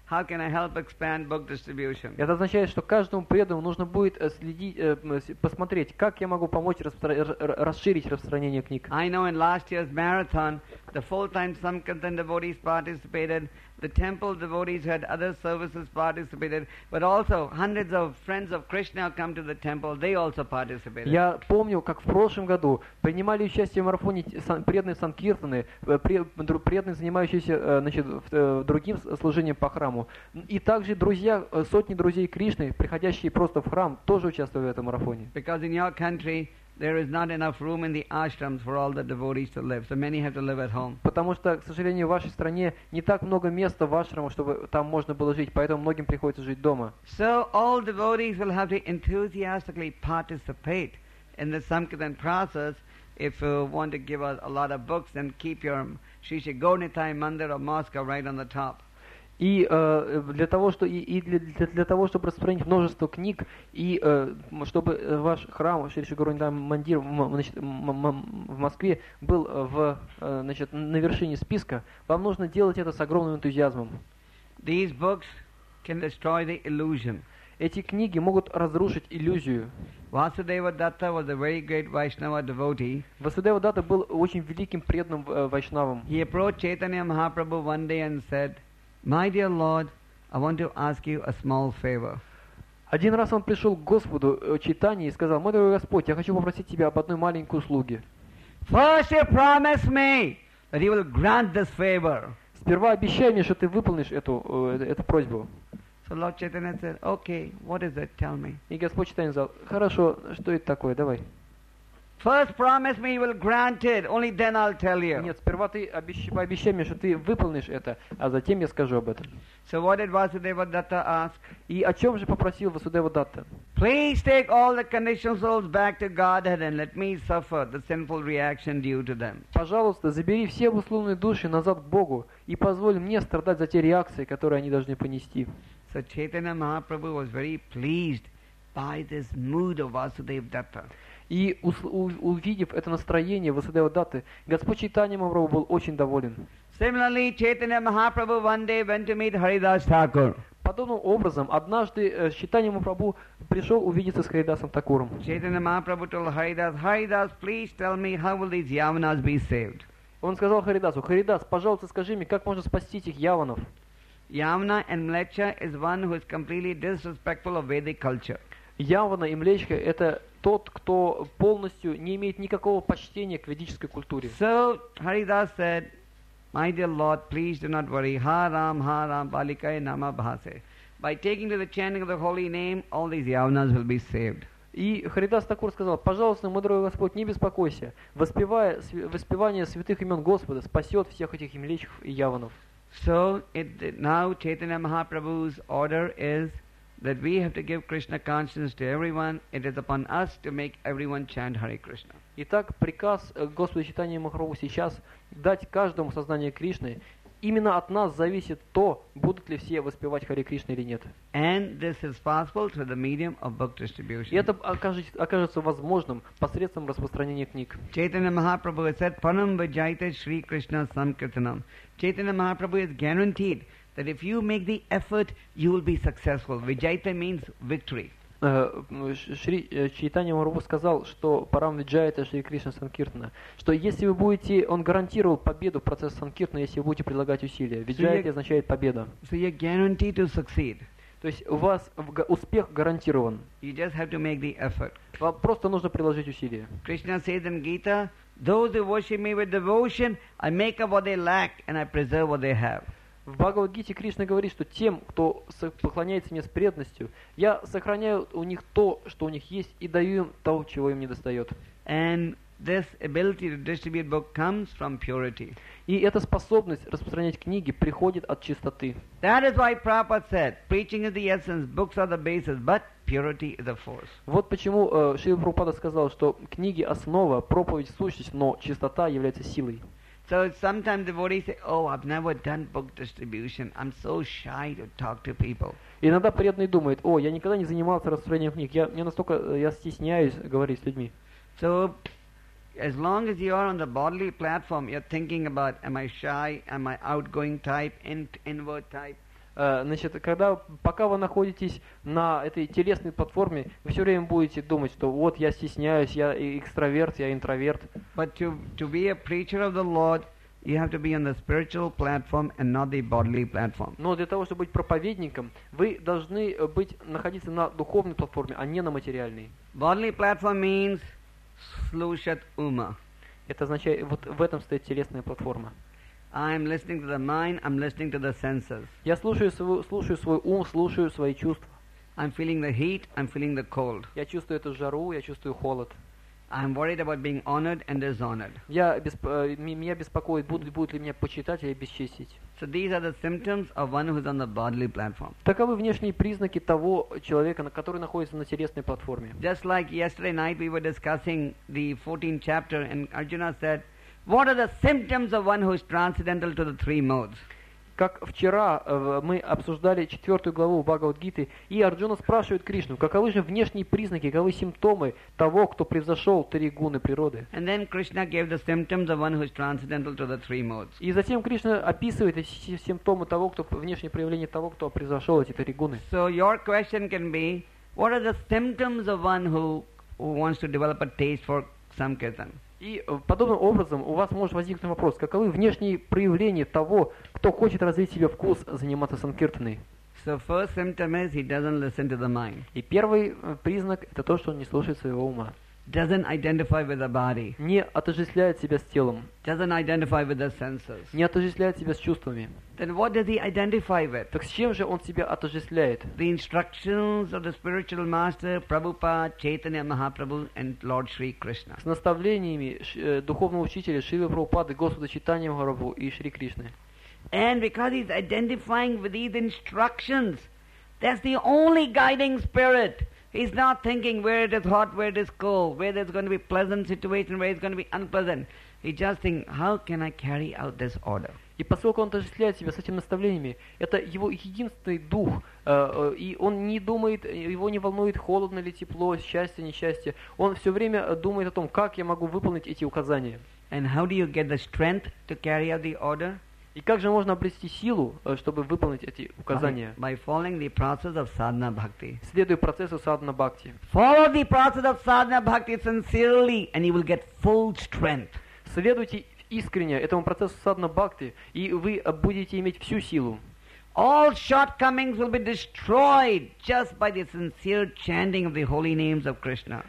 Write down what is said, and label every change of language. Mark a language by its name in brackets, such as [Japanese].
[Russian] Это означает, что каждому преданному нужно будет следить, посмотреть, как я могу помочь расширить распространение книг. [English] I know in last year's marathon, the full-time Sankirtan devotees participated, the temple devotees had other services participated, but also hundreds of friends of Krishna come to the temple, they also participated. [Russian] Я помню, как в прошлом году принимали участие в марафоне преданные Санкиртаны, преданные, занимающиеся значит, другим служением по храму. И также друзья, сотни друзей Кришны, приходящие просто в храм, тоже участвовали в этом марафоне. [English] Because in your country, there is not enough room in the ashrams for all the devotees to live. So many have to live at home. [Russian] Потому что, к сожалению, в вашей стране не так много места в ашрамах, чтобы там можно было жить, поэтому многим приходится жить дома. [English] So all devotees will have to enthusiastically participate in the Sankirtan process. If you want to give us a lot of books, then keep your Shishi Gornitai Mandir or Mosque right on the top. [Russian] И для того, что, для того, чтобы распространить множество книг, и чтобы ваш храм, Шри Шигурунитай Мандир в Москве был значит, на вершине списка, вам нужно делать это с огромным энтузиазмом. [English] These books can destroy the illusion. [Russian] Эти книги могут разрушить иллюзию. [English] Vasudeva Datta was a very great Vaishnava devotee. [Russian] Vasudeva Datta был очень великим преданным вайшнавом. [English] He approached Chaitanya Mahaprabhu one day and said, "My dear Lord, I want to ask you a small favor." [Russian] Один раз он пришел к Господу Чайтанье и сказал: "Мой дорогой Господь, я хочу попросить тебя об одной маленькой услуге." [English] First, you promise me that you will grant this favor. [Russian] Сперва обещай мне, что ты выполнишь эту просьбу. [English] So Lord Chaitanya said, "Okay, what is it? Tell me." [Russian] И Господь Чайтанье сказал: "Хорошо, что это такое? Давай." [English] First, promise me you will grant it. Only then I'll tell you. [Russian] Нет, сперва ты пообещай мне, что ты выполнишь это, а затем я скажу об этом. [English] So what did Vasudeva Datta ask? [Russian] И о чем же попросил Vasudeva Datta? [English] Please take all the conditioned souls back to Godhead and let me suffer the sinful reaction due to them. [Russian] Пожалуйста, забери все условные души назад к Богу и позволь мне страдать за те реакции, которые они должны понести. [English] So Chaitanya Mahaprabhu was very pleased by this mood of Vasudeva Datta. [Russian] И увидев это настроение Васудева Датты, Господь Чайтанья Махапрабху был очень доволен. [English] Similarly, Chaitanya Mahaprabhu one day went to meet Haridas Thakur. [Russian] Подобным образом, однажды Чайтанья Махапрабху пришел увидеться с Харидасом Такуром. [English] Chaitanya Mahaprabhu told Haridas, "Haridas, please tell me how will these yavanas be saved?" [Russian] Он сказал Харидасу: "Харидас, пожалуйста, скажи мне, как можно спасти этих яванов?" [English] Yavana and Mlecha is one who is completely disrespectful of Vedic culture. [Russian] Явана и Млечха – это тот, кто полностью не имеет никакого почтения к ведической культуре. [English] So Haridas said, "My dear Lord, please do not worry. [Sanskrit] Ha Ram, Ha Ram, Balikai Nama Bhase. [English] By taking to the chanting of the holy name, all these Yavanas will be saved." [Russian] И Харидас Такур сказал: "Пожалуйста, мой дорогой Господь, не беспокойся. Воспевание святых имен Господа спасет всех этих Млечх и Яванов." [English] So now Chaitanya Mahaprabhu's order is that we have to give Krishna consciousness to everyone. It is upon us to make everyone chant Hare Krishna. [Russian] Итак, приказ Господа Чайтанья Махапрабху сейчас дать каждому сознание Кришны, именно от нас зависит то, будут ли все воспевать Харе Кришна или нет. [English] And this is possible through the medium of book distribution. [Russian] И это окажется возможным посредством распространения книг. [English] Chaitanya Mahaprabhu has said, [Sanskrit] Panam Vajayate Shri Krishna Sankirtanam. [English] Chaitanya Mahaprabhu has guaranteed that if you make the effort, you will be successful. Vajayate means victory. [Russian] Шри Чайтанья Махапрабху сказал, что [Sanskrit] Парам Виджайата Шри Кришна Санкиртана, [Russian] что если вы будете, он гарантировал победу в процессе Санкиртана, если вы будете прилагать усилия. Виджайата означает победа. [English] So you're guaranteed to succeed. [Russian] То есть у вас успех гарантирован. [English] You just have to make the effort. [Russian] Вам просто нужно приложить усилия. [English] Krishna says in Gita, those who worship me with devotion, I make up what they lack and I preserve what they have. [Russian] В Бхагавад-гите Кришна говорит, что тем, кто поклоняется мне с преданностью, я сохраняю у них то, что у них есть, и даю им то, чего им не достает. [English] And this ability to distribute book comes from purity. [Russian] И эта способность распространять книги приходит от чистоты. [English] That is why Prabhupada said, preaching is the essence, books are the basis, but purity is the force. [Russian] Вот почему Шрила Прабхупада сказал, что книги – основа, проповедь – сущность, но чистота является силой. [English] So sometimes devotees say, "Oh, I've never done book distribution. I'm so shy to talk to people." [Russian] Иногда преданный думает: "О, я никогда не занимался распространением книг. Я стесняюсь говорить с людьми." [English] So as long as you are on the bodily platform, you're thinking about: "Am I shy? Am I outgoing type? Inward type?" [Russian] Значит, пока вы находитесь на этой телесной платформе, вы все время будете думать, что вот я стесняюсь, я экстраверт, я интроверт. [English] But to be a preacher of the Lord, you have to be on the spiritual platform and not the bodily platform. [Russian] Но для того, чтобы быть проповедником, вы должны находиться на духовной платформе, а не на материальной. [English] Bodily platform means [Russian] слушать ума. Это означает, вот в этом стоит телесная платформа. [English] I'm listening to the mind, I'm listening to the senses. [Russian] Я слушаю свой ум, слушаю свои чувства. [English] I'm feeling the heat, I'm feeling the cold. [Russian] Я чувствую эту жару, я чувствую холод. [English] I'm worried about being honored and dishonored. [Russian] Меня беспокоит, будут ли меня почитать или бесчестить. [English] So these are the symptoms of one who's on the bodily platform. [Russian] Таковы внешние признаки того человека, который находится на телесной платформе. [English] Just like yesterday night we were discussing the 14th chapter and Arjuna said, what are the symptoms of one who is transcendental to the three modes? [Russian] Как вчера мы обсуждали четвертую главу Бхагавад-гиты, и Арджуна спрашивает Кришну, каковы же внешние признаки, каковы симптомы того, кто превзошел три гуны природы? [English] And then Krishna gave the symptoms of one who is transcendental to the three modes. [Russian] И затем Кришна описывает симптомы того, кто внешнее проявление того, кто превзошел эти три гуны. [English] So your question can be, what are the symptoms of one who wants to develop a taste for samkirtan? [Russian] И подобным образом у вас может возникнуть вопрос, каковы внешние проявления того, кто хочет развить себе вкус заниматься санкиртаной? [English] So first symptom is he doesn't listen to the mind. [Russian] И первый признак – это то, что он не слушает своего ума. [English] Doesn't identify with the body. [Russian] Не отождествляет себя с телом. [English] Doesn't identify with the senses. [Russian] Не отождествляет себя с чувствами. [English] Then what does he identify with? [Russian] Так с чем же он себя отождествляет? [English] The instructions of the spiritual master, Prabhupada, Chaitanya Mahaprabhu, and Lord Shri Krishna. [Russian] С наставлениями духовного учителя Шрилы Прабхупады, Господа Чайтанья Махапрабху и Шри Кришны. [English] And because he's identifying with these instructions, that's the only guiding spirit. He's not thinking where it is hot, where it is cold, where there's going to be pleasant situation, where it's going to be unpleasant. He just thinks, how can I carry out this order? [Russian] И поскольку он отождествляет себя с этими наставлениями, это его единственный дух, и он не думает, его не волнует, холодно ли, тепло, счастье, несчастье. Он все время думает о том, как я могу выполнить эти указания. [English] And how do you get the strength to carry out the order? [Russian] И как же можно обрести силу, чтобы выполнить эти указания? [English] By following the process of sadhana bhakti. [Russian] Следуя процессу sadhana bhakti. [English] Follow the process of sadhana bhakti sincerely, and you will get full strength. [Russian] Следуйте искренне этому процессу sadhana bhakti, и вы будете иметь всю силу. [English] All shortcomings will be destroyed just by the sincere chanting of the holy names of Krishna.